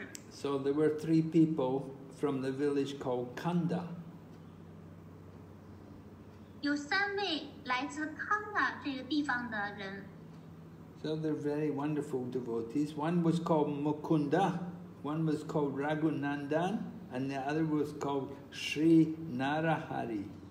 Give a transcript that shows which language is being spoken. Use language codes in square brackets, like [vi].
[en] So there were three people from the village called Kanda. [zh] 有三位来自康达这个地方的人。 [en] So they're very wonderful devotees. One was called Mukunda, one was called Raghunandan, and the other was called Sri Narahari.